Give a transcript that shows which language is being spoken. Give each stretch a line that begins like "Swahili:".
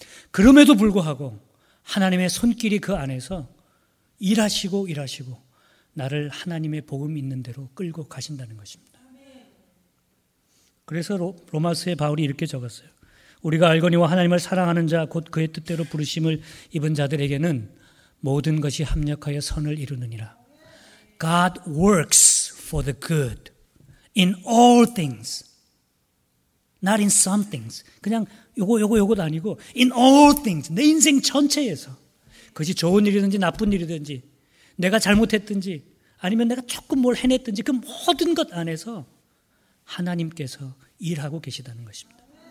Korean: 그럼에도 불구하고 하나님의 손길이 그 안에서 일하시고 일하시고 나를 하나님의 복음 있는 대로 끌고 가신다는 것입니다. 그래서 로마서의 바울이 이렇게 적었어요. 우리가 알거니와 하나님을 사랑하는 자 곧 그의 뜻대로 부르심을 입은 자들에게는 모든 것이 합력하여 선을 이루느니라.
English: God works for the good in all things. Not in some things.
Korean: 그냥 요거도 아니고
English: in all things.
Korean: 내 인생 전체에서. 그것이 좋은 일이든지 나쁜 일이든지 내가 잘못했든지 아니면 내가 조금 뭘 해냈든지 그 모든 것 안에서 하나님께서 일하고 계시다는 것입니다.